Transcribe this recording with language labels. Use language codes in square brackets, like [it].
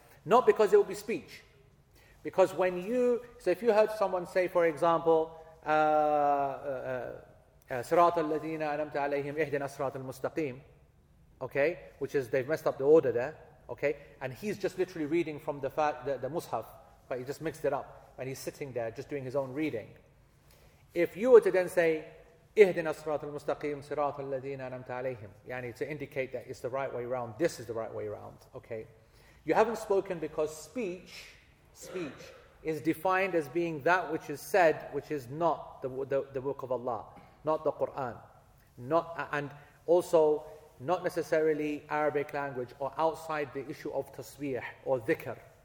[en] Not because it will be speech, because when you, so if you heard someone say, for example, [ar] "Sirat al-ladina anamta alayhim ihdina sirat al-mustaqim," [en] okay, which is they've messed up the order there, okay, and he's just literally reading from the mushaf, but he just mixed it up, and he's sitting there just doing his own reading. If you were to then say, [ar] اهدنا الصراط المستقيم صراط الذين أنعمت عليهم. [en] يعني to indicate that it's the right way around. This is the right way around. Okay. You haven't spoken because speech is defined as being that which is said, which is not the book of Allah, not the Quran, not and also not necessarily Arabic language or outside the issue of tasbih or dhikr.